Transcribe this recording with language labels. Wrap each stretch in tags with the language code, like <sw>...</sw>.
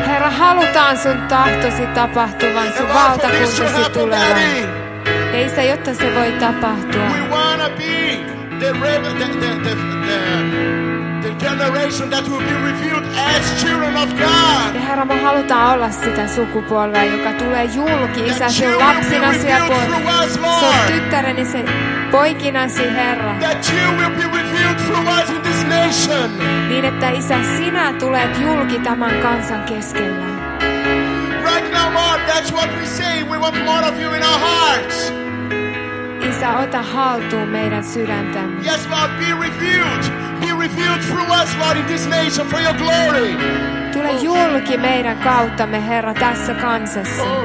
<fi>halutaan sun tahtosi tapahtuvan, sun valtakuntasi tulevan. Ei se, jotta se voi tapahtua.</fi> <en>We wanna be the generation that will be revealed as children of God.</en> <fi>Ja Herra, me halutaan olla sitä sukupolvea, joka tulee julki Isäsi lapsinasi ja sun tyttärenisi poikinasi, Herra.</fi> <en>That you will be revealed through us in this nation.</en> <fi>Niin, että Isä, sinä tulet julki tämän kansan keskellä.</fi> <en>That's what we say. We want more of you in our hearts.</en> <fi>Isä, ota haltuun meidän sydäntämme.</fi> <en>Yes, Lord, be revealed. Be revealed through us, Lord, in this nation for your glory.</en> <fi>Tule julki meidän kauttamme, Herra, tässä kansassa.</fi>